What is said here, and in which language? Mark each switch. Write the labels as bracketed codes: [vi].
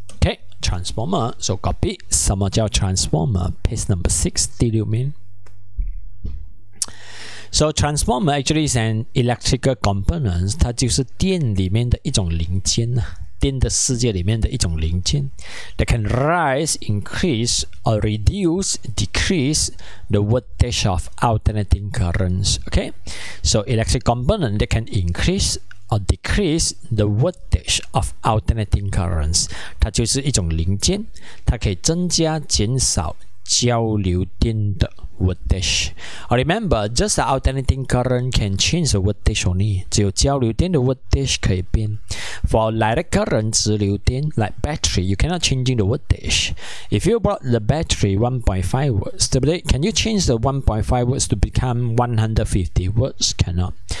[en] Okay, transformer. So copy. [zh] 什么叫 [en] transformer? Page number 6. Did you mean? So transformer actually is an electrical component. [zh] 它就是电里面的一种零件呐，电的世界里面的一种零件。 [en] That can rise, increase, or reduce, decrease the voltage of alternating currents. Okay. So electric component that can increase or decrease the voltage of alternating currents. [zh] 它就是一种零件，它可以增加、减少交流电的。 [en] Voltage. Remember, just the alternating current can change the voltage only. [zh] 只有交流电的 voltage 可以变 [en] For direct current, [zh] 直流电 [en] like battery, you cannot change the voltage. If you brought the battery 1.5 volts, [zh] 对不对? [en] Can you change the 1.5 volts to become 150 volts? Cannot.